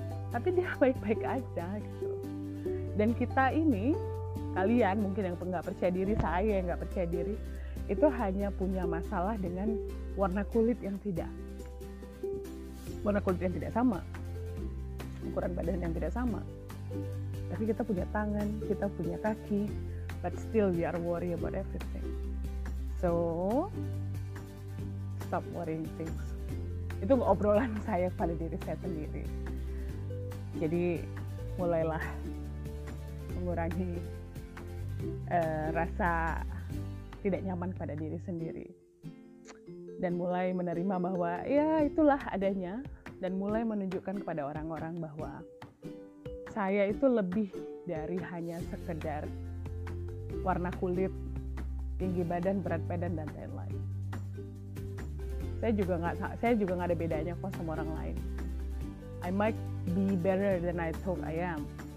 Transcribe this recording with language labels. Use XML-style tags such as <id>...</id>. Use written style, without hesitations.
<id>Tapi dia baik-baik aja gitu. Dan kita ini, kalian mungkin yang enggak percaya diri, saya yang enggak percaya diri, itu hanya punya masalah dengan warna kulit yang tidak sama. Ukuran badan yang tidak sama. Tapi kita punya tangan, kita punya kaki,</id> <en>but still we are worried about everything. So, stop worrying things.</en> <id>Itu obrolan saya pada diri saya sendiri. Jadi, mulailah mengurangi rasa tidak nyaman pada diri sendiri. Dan mulai menerima bahwa, ya itulah adanya. Dan mulai menunjukkan kepada orang-orang bahwa saya itu lebih dari hanya sekedar warna kulit, tinggi badan, berat badan, dan lain-lain. Saya juga nggak ada bedanya kok sama orang lain.</id> <en>I might be better than I thought I am.</en>